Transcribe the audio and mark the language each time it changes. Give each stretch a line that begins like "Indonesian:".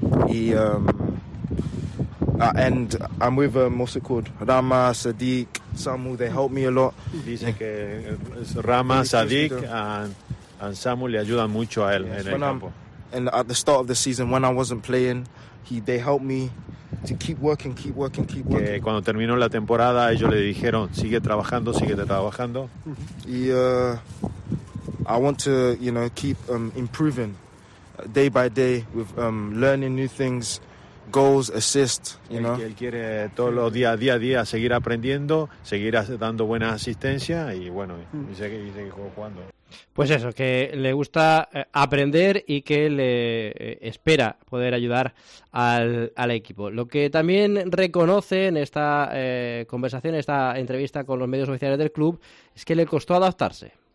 English: Y and I'm with Musa Kud, Rama, Sadiq, Samu. They help me a lot.
Spanish: Dice que Rama, Sadiq, and Samu le ayudan mucho a él, yes, en el campo.
English: And at the start of the season, when I wasn't playing, they helped me to keep working.
Spanish: Que cuando terminó la temporada, ellos le dijeron, sigue trabajando.
English: Y I want to, you know, keep improving day by day with learning new things, goals, assists, you know.
Spanish: Él quiere todos los días, día a día, seguir aprendiendo, seguir dando buena asistencia, y bueno, dice que juega jugando. Pues eso, que le gusta aprender y que le espera poder ayudar al equipo. Lo que también reconoce en esta conversación, en esta entrevista con los medios oficiales del club, es que le costó adaptarse.